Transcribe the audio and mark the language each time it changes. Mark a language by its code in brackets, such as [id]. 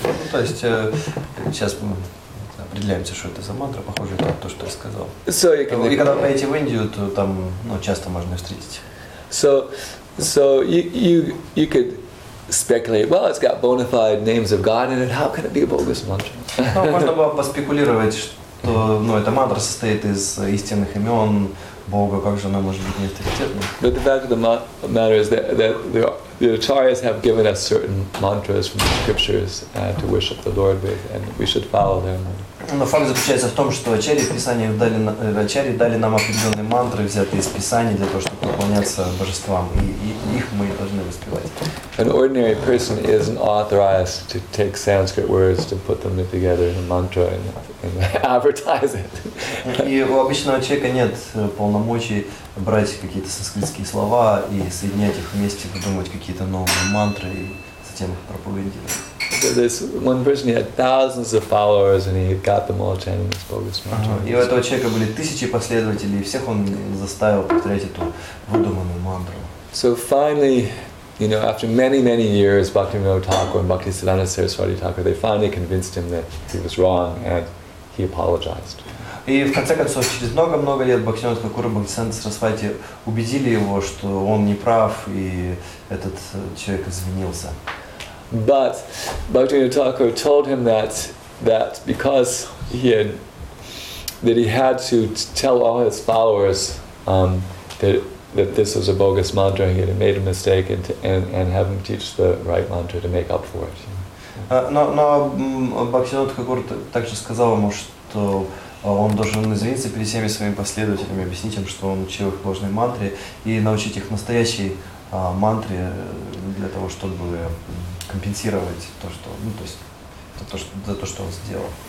[ru] То есть сейчас определяемся, что это за мантра, похоже на то, что я сказал. [en] So you can. [ru] И когда поедете в Индию, то там, ну, часто можно встретить. [en] So you could speculate, well, it's got bona fide names of God in it, how can it be a bogus mantra? [ru] Можно было поспекулировать, что, ну, эта мантра состоит из истинных имен Бога, как же она может быть неавторитетной? [en] But the fact of the matter is that the acharyas have given us certain mantras from the scriptures to worship the Lord with, and we should follow them. [ru] Но факт заключается в том, что ачарьи дали нам определенные мантры, взятые из Писаний, для того, чтобы поклоняться божествам, и их мы должны воспевать. [en] An ordinary person isn't authorized to take Sanskrit words to put them together in a mantra and advertise it. [ru] И у обычного человека нет полномочий брать какие-то санскритские слова и соединять их вместе, придумывать какие-то новые мантры и затем их проповедовать. [en] This one person, he had thousands of followers, and he got them all chanting this bogus mantra. [ru] И у этого человека были тысячи последователей, и всех он заставил повторять эту выдуманную мантру. [en] So finally, you know, after many, many years, Bhaktivinoda Thakur and Bhaktisiddhanta Saraswati Thakur, they finally convinced him that he was wrong, and he apologized. [ru] И в конце концов, через много-много лет, Бхактивинода Такура и Бхактисиддханта Сарасвати убедили его, что он не прав, и этот человек извинился. [en] But Bhaktivinoda Thakur told him that because he had to tell all his followers that this was a bogus mantra, he had made a mistake and have him teach the right mantra to make up for it. [ru] Но Бхактивинода Такур также сказал ему, что он должен извиниться перед всеми своими последователями, объяснить им, что он учил их ложной мантре, и научить их настоящей мантре для того, чтобы компенсировать то, что, ну, то есть, то, что, за то, что он сделал.